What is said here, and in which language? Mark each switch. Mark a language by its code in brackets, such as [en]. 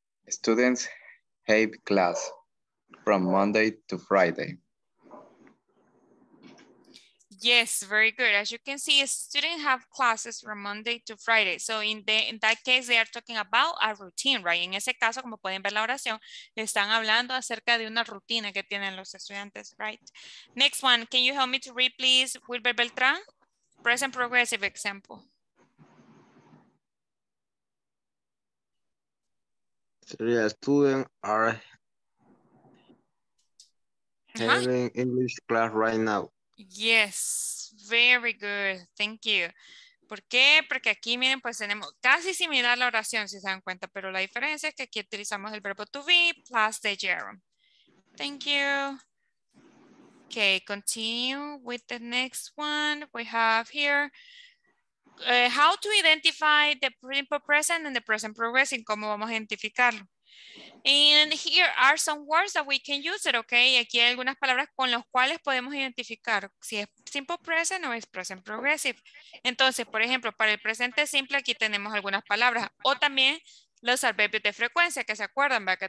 [en] Students have class from Monday to Friday. Yes, very good. As you can see, students have classes from Monday to Friday. So in that case, they are talking about a routine, right? [es] En ese caso, como pueden ver la oración, están hablando acerca de una rutina que tienen los estudiantes, right? [en] Next one, can you help me to read, please, Wilber Beltrán? Present progressive example. Three students are having English class right now. Yes, very good. Thank you. [es] ¿Por qué? Porque aquí, miren, pues tenemos casi similar la oración, si se dan cuenta, pero la diferencia es que aquí utilizamos el verbo [en] to be plus the gerund. Thank you. Okay, continue with the next one we have here. How to identify the simple present and the present progressive? [es] ¿Cómo vamos a identificarlo? [en] And here are some words that we can use it, okay? [es] Aquí hay algunas palabras con las cuales podemos identificar si es simple present o es present progressive. Entonces, por ejemplo, para el presente simple aquí tenemos algunas palabras. O también los adverbios de frecuencia que se acuerdan, ¿verdad?